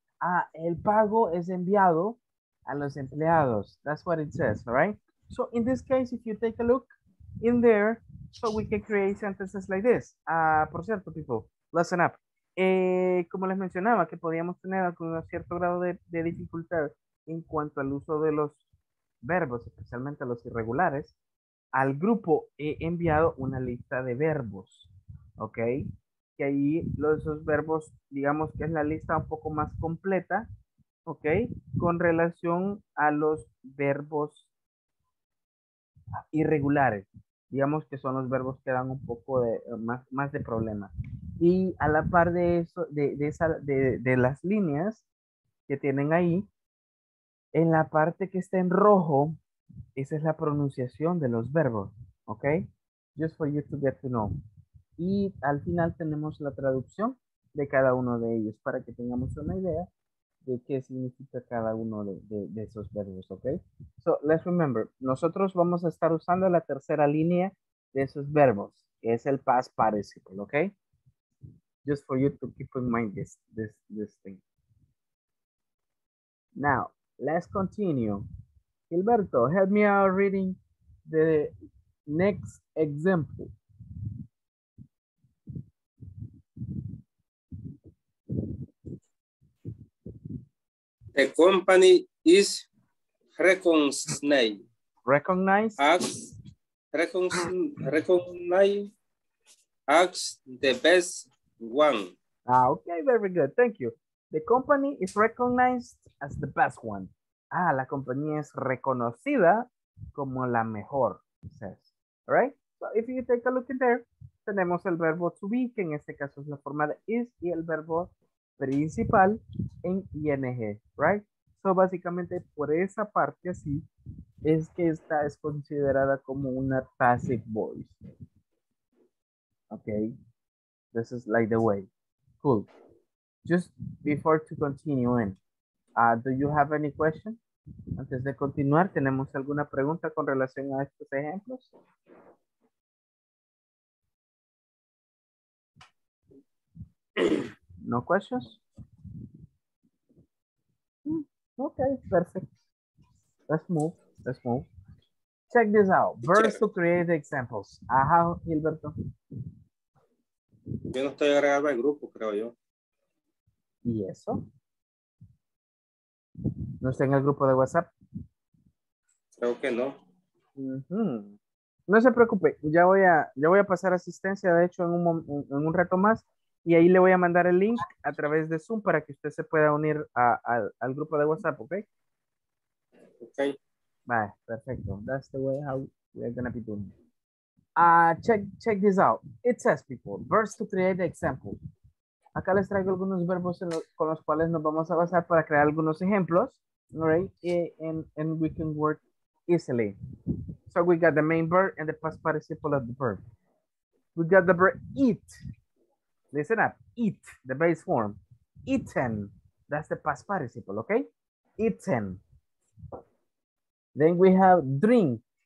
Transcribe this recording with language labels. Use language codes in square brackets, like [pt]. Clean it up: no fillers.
[es] Ah, el pago es enviado a los empleados. [en] That's what it says, all right? So in this case, if you take a look in there, so we can create sentences like this. [es] Por cierto, people, listen up. Como les mencionaba, que podíamos tener algún cierto grado de dificultad en cuanto al uso de los verbos, especialmente los irregulares, al grupo he enviado una lista de verbos, ¿ok? Que ahí esos verbos, digamos que es la lista un poco más completa, ¿ok? Con relación a los verbos irregulares. Digamos que son los verbos que dan un poco de más de problema. Y a la par de eso, de las líneas que tienen ahí, en la parte que está en rojo, esa es la pronunciación de los verbos, ¿ok? [en] Just for you to get to know. [es] Y al final tenemos la traducción de cada uno de ellos para que tengamos una idea de qué significa cada uno de esos verbos, ¿ok? [en] So, let's remember, [es] nosotros vamos a estar usando la tercera línea de esos verbos, que es el past participle, ¿ok? [en] Just for you to keep in mind this thing. Now, let's continue. Gilberto, help me out reading the next example. The company is recognized as the best one. Ah, okay, very good. Thank you. The company is recognized as the best one. [es] Ah, la compañía es reconocida como la mejor, [en] it says. All right? So if you take a look in there, [es] tenemos el verbo to be, que en este caso es la forma de is, y el verbo principal en ing, right? So básicamente por esa parte así es que esta es considerada como una passive voice. [en] Okay, this is like the way. Cool. Just before to continue in, do you have any question? [es] Antes de continuar, ¿tenemos alguna pregunta con relación a estos ejemplos? [en] No questions? Okay, perfect. Let's move. Check this out. Verbs to create the examples. Ajá, Gilberto. [es] Yo no estoy agregado al grupo, creo yo. ¿Y eso? ¿No está en el grupo de WhatsApp? Creo que no. No se preocupe. Ya voy a pasar asistencia, de hecho, en un rato más. Y ahí le voy a mandar el link a través de Zoom para que usted se pueda unir al grupo de WhatsApp, ¿ok? Ok. Vale, perfecto. [en] That's the way how we're going to be doing it. Check this out. It says, people, verbs to create the example. [es] Acá les traigo algunos verbos con los cuales nos vamos a basar para crear algunos ejemplos, [en] all right? And we can work easily. So we got the main verb and the past participle of the verb. We got the verb eat. Listen up, eat, the base form. Eaten, that's the past participle, okay? Eaten. Then we have drink.